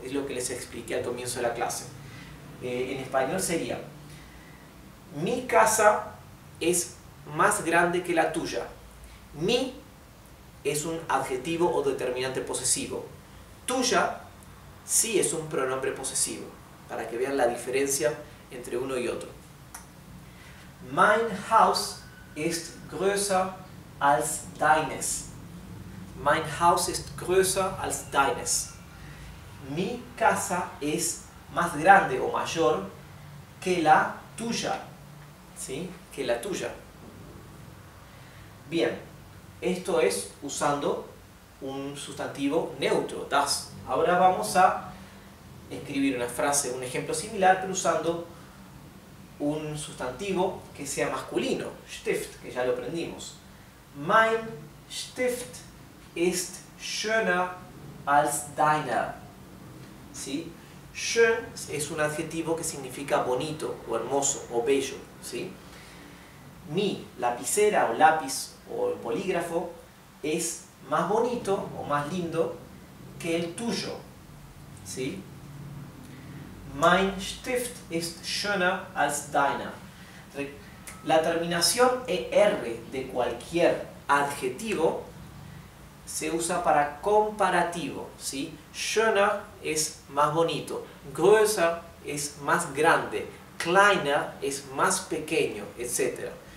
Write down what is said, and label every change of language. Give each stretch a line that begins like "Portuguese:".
Spanish: Es lo que les expliqué al comienzo de la clase. En español sería, mi casa es más grande que la tuya. Mi es un adjetivo o determinante posesivo. Tuya sí es un pronombre posesivo, para que vean la diferencia entre uno y otro.
German: Mein Haus ist größer als deines. Mein Haus ist größer als deines.
Spanish: Mi casa es más grande o mayor que la tuya. ¿Sí? Que la tuya. Bien. Esto es usando un sustantivo neutro, das. Ahora vamos a escribir una frase, un ejemplo similar, pero usando un sustantivo que sea masculino, Stift, que ya lo aprendimos.
German: Mein Stift ist schöner als deiner.
Spanish: ¿Sí? Schön es un adjetivo que significa bonito o hermoso o bello, ¿sí? Mi lapicera o lápiz o el bolígrafo es más bonito o más lindo que el tuyo, ¿sí?
German: Mein Stift ist schöner als deiner.
Spanish: La terminación er de cualquier adjetivo se usa para comparativo, ¿sí? Schöner es más bonito, größer es más grande, kleiner es más pequeño, etc.